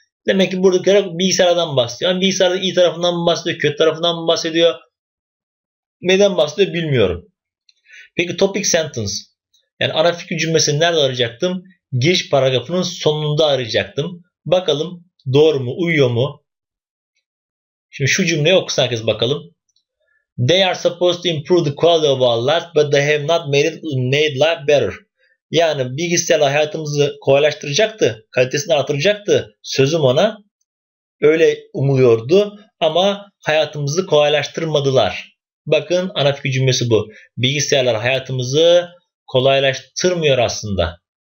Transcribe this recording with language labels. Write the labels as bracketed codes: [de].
[tr] Demek ki burada bilgisayardan bahsediyor. Bilgisayarın iyi tarafından mı bahsediyor, kötü tarafından mı bahsediyor? Neden bahsediyor bilmiyorum. Peki topic sentence. Yani ana fikir cümlesini nerede arayacaktım? Giriş paragrafının sonunda arayacaktım. Bakalım doğru mu, uyuyor mu? Şimdi şu cümleyi okusun herkes bakalım. [en] They are supposed to improve the quality of our lives, but they have not made it made life better. [tr] Yani bilgisayar hayatımızı kolaylaştıracaktı, kalitesini artıracaktı sözüm ona. Öyle umuluyordu ama hayatımızı kolaylaştırmadılar. Bakın ana fikir cümlesi bu. Bilgisayarlar hayatımızı kolaylaştırmıyor aslında.